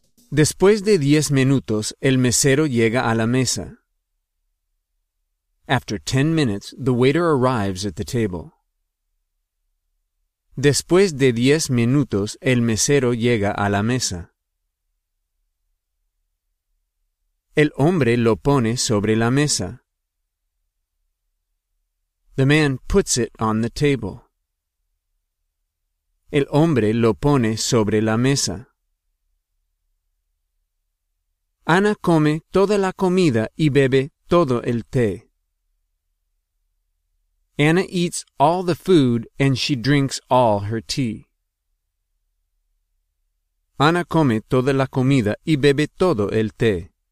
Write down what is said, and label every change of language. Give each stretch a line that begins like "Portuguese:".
Spanish: Después de 10 minutos, el mesero llega a la mesa.
English: After 10 minutes, the waiter arrives at the table.
Spanish: Después de 10 minutos, el mesero llega a la mesa. El hombre lo pone sobre la mesa.
English: The man puts it on the table.
Spanish: El hombre lo pone sobre la mesa. Ana come toda la comida y bebe todo el té.
English: Anna eats all the food and she drinks all her tea.
Spanish: Ana come toda la comida y bebe todo el té.